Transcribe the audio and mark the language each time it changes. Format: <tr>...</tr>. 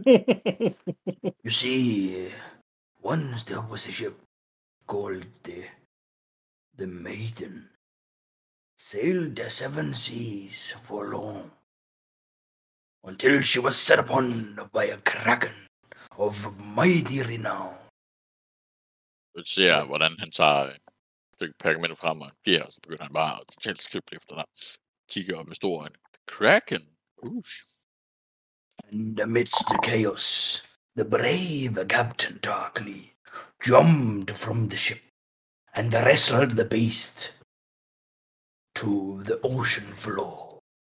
<en>You see, once there was a ship called the Maiden, sailed the seven seas for long, until she was set upon by a kraken of mighty renown.</en> <da>Du ser, hvordan han tager et stykke pergament frem og giver, og så begynder han bare at tilskrive efter dig. Kigger op med store øjne. Kraken! Uff.</da> <en>And amidst the chaos, the brave Captain Darkly jumped from the ship and wrestled the beast to the ocean floor.</en>